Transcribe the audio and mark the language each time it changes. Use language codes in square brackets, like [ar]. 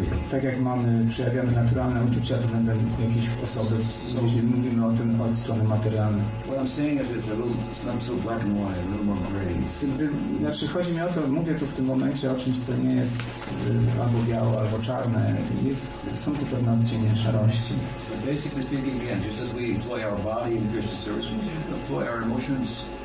[pl] Tak jak mamy, przejawiamy naturalne uczucia względem jakiejś osoby, jeśli mówimy o tym od strony materialnej. [en] What I'm saying is it's a little, it's not so black and white, a little more gray. [pl] Znaczy chodzi mi o to, mówię tu w tym momencie o czymś, co nie jest albo biało, albo czarne. Są tu pewne odcienie szarości. [en] Basically speaking, again, just as we employ our body in Krishna service, we employ our emotions.